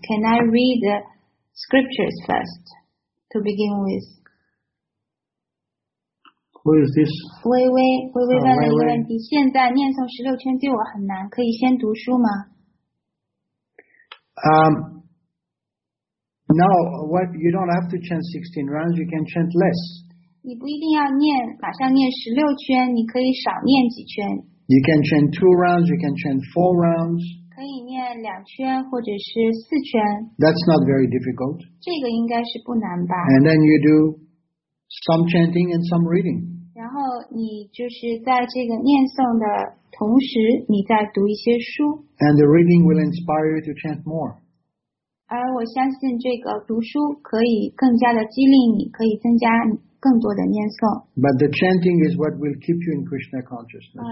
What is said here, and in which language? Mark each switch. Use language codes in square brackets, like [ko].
[en] Can I read the Scriptures first, to begin with. Who is this? [zh] 微微问了一个问题。现在念诵十六圈对我很难，可以先读书吗？ [en] No. What you don't have to chant 16 rounds. You can chant less. [zh] 你不一定要念马上念十六圈，你可以少念几圈。 [en] You can chant 2 rounds. You can chant 4 rounds. [zh] 可以念两圈或者是四圈。 [en] That's not very difficult. [zh] 这个应该是不难吧。 [en] And then you do some chanting and some reading. [zh] 然后你就是在这个念诵的同时，你在读一些书。 [en] And the reading will inspire you to chant more. [zh] 而我相信这个读书可以更加的激励你，可以增加更多的念诵。 [en] But the chanting is what will keep you in Krishna consciousness.